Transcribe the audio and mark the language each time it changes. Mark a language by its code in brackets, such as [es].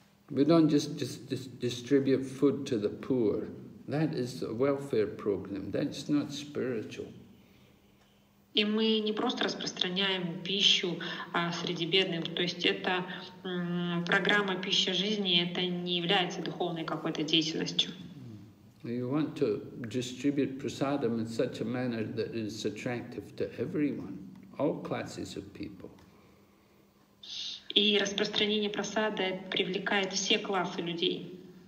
[en] We don't just distribute food to the poor. That is a welfare program. That's not spiritual. [ru] И мы не просто распространяем пищу среди бедных, то есть это программа «Пища жизни», это не является духовной какой-то деятельностью. [en] You want to distribute prasadam in such a manner that it is attractive to everyone, all classes of people. [ru] И распространение прасада привлекает все классы людей.